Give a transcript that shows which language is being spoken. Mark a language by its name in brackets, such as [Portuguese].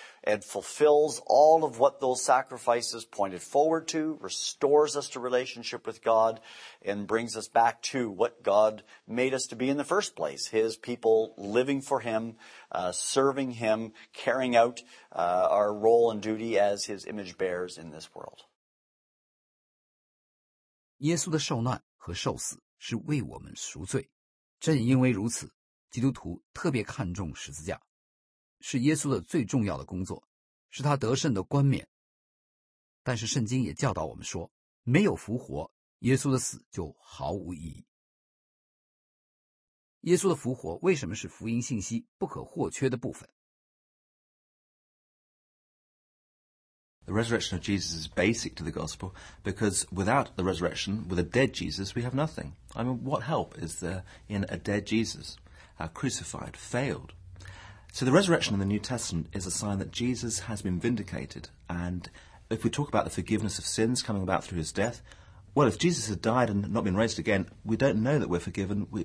[English] and fulfills all of what those sacrifices pointed forward to, restores us to relationship with God, and brings us back to what God made us to be in the first place, his people living for him, serving him, carrying out our role and duty as his image bearers in this world. [Chinese] 耶稣的受难和受死是为我们赎罪。正因为如此，基督徒特别看重十字架，是耶稣的最重要的工作，是他得胜的冠冕。但是圣经也教导我们说，没有复活，耶稣的死就毫无意义。耶稣的复活为什么是福音信息不可或缺的部分？ [English] The resurrection of Jesus is basic to the gospel because without the resurrection, with a dead Jesus, we have nothing. I mean, what help is there in a dead Jesus, crucified, failed? So the resurrection in the New Testament is a sign that Jesus has been vindicated. And if we talk about the forgiveness of sins coming about through his death, well, if Jesus had died and not been raised again, we don't know that we're forgiven.